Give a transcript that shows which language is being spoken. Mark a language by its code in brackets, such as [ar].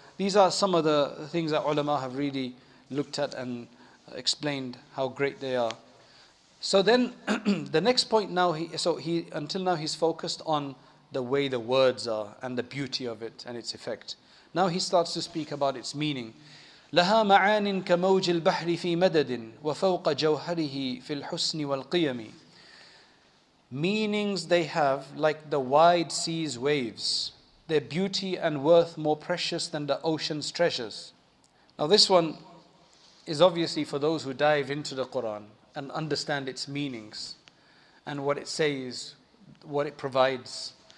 [en] These are some of the things that ulama have really looked at and explained how great they are. So then the next point now, until now he's focused on the way the words are and the beauty of it and its effect. Now he starts to speak about its meaning. [ar] لها معان كموج البحر في مدد وفوق جوهره في الحسن والقيم. [en] Meanings they have like the wide sea's waves, their beauty and worth more precious than the ocean's treasures. Now this one is obviously for those who dive into the Quran and understand its meanings and what it says, what it provides.